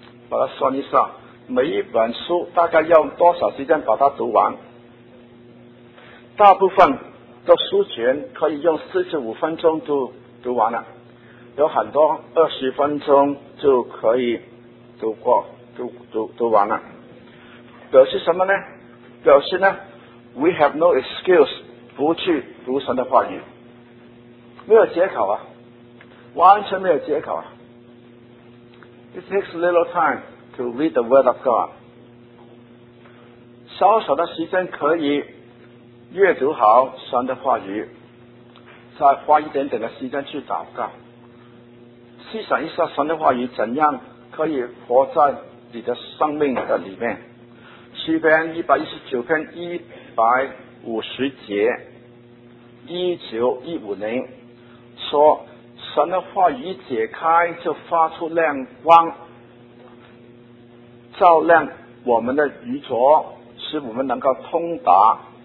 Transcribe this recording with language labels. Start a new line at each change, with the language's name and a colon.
Chinese: 把它算一算，每一本书大概要多少时间把它读完，大部分的书卷可以用45分钟就读完了，有很多20分钟就可以读过 读完了。表示什么呢？表示呢
English: We have no excuse
Chinese: 不去读神的话语。没有接口啊，完全没有接口啊。
English: It takes little time to read the word of God.
Chinese: 少少的时间可以阅读好神的话语，再花一点点的时间去祷告，思想一下神的话语怎样可以活在你的生命的里面。诗篇119篇150节1915年说，神的话语解开就发出亮光，照亮我们的愚拙，使我们能够通达。